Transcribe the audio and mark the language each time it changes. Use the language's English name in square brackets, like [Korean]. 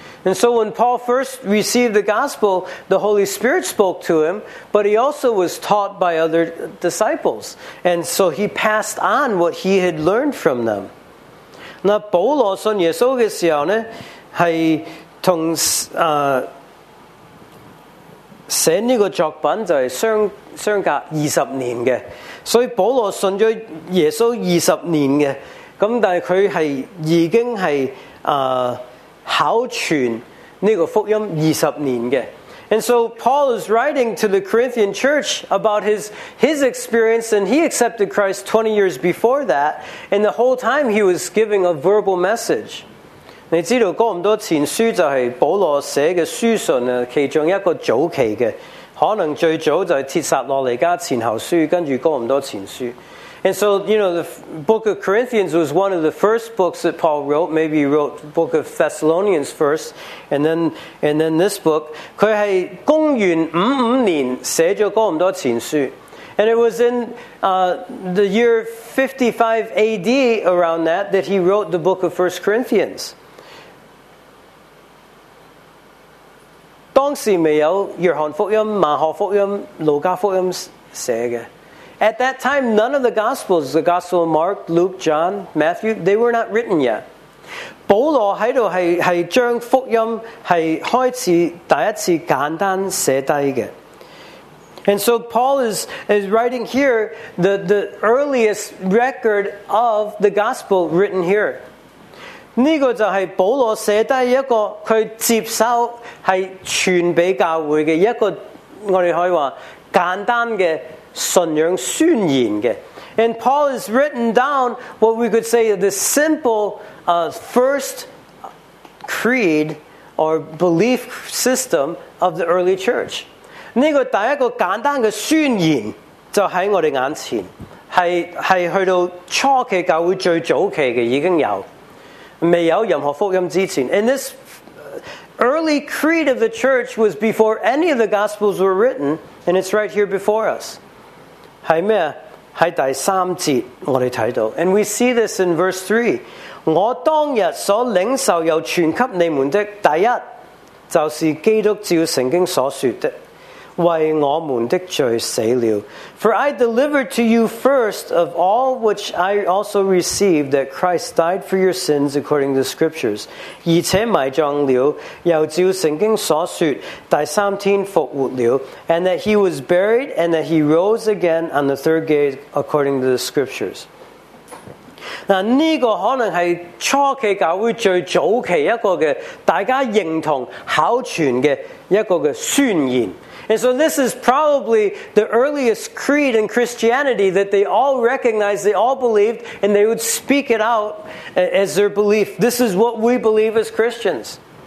[English] And so when Paul first received the gospel, the Holy Spirit spoke to him, but he also was taught by other disciples. And so he passed on what he had learned from them. [Cantonese] 那保罗信耶稣的时候呢，是同写这个作品就是相隔20年的。所以保罗信了耶稣20年的，咁但是他是已经是口传这个福音20年的。 [English] And so Paul is writing to the Corinthian church about his experience, and he accepted Christ 20 years before that, and the whole time he was giving a verbal message. [Cantonese] 你知道哥林多前书就是保罗写的书信其中一个早期的，可能最早就是帖撒罗尼加前后书，跟着哥林多前书。 [English] And so, you know, the book of Corinthians was one of the first books that Paul wrote. Maybe he wrote the book of Thessalonians first, and then this book. [Cantonese] 他是公元55年写了哥林多前书。 [English] And it was in the year 55 AD, around that he wrote the book of 1 Corinthians. [Cantonese] 当时没有约翰福音、马可福音、路加福音写的。 [English] At that time, none of the Gospels, the Gospel of Mark, Luke, John, Matthew, they were not written yet. [Cantonese] 保罗在这里 是将福音是开始第一次简单写低的。 [English] And so Paul is writing here the earliest record of the Gospel written here. [Cantonese] 这个就是保罗写低一个他接受是传给教会的一个，我们可以说简单的信仰宣言的。 [English] And Paul has written down what we could say the simple first creed or belief system of the early church. [Cantonese] 这个第一个简单的宣言就在我们眼前， 是去到初期教会最早期的已经有，没有任何福音之前。 [English] And this early creed of the church was before any of the gospels were written, and it's right here before us. [Cantonese] 是什么？在第三节我们看到。 [English] And we see this in verse 3. [Cantonese] 我当日所领受又传给你们的第一，就是基督照圣经所说的，为我们的罪死了。 [English] For I delivered to you first of all which I also received, that Christ died for your sins according to the Scriptures. [Cantonese] 而且埋葬了，又照圣经所说，第三天复活了。 [English] And that he was buried, and that he rose again on the third day according to the Scriptures. [Cantonese] 那这个可能是初期教会最早期一个的大家认同口传的一个的宣言。 [English] And so this is probably the earliest creed in Christianity that they all recognized, they all believed, and they would speak it out as their belief. This is what we believe as Christians.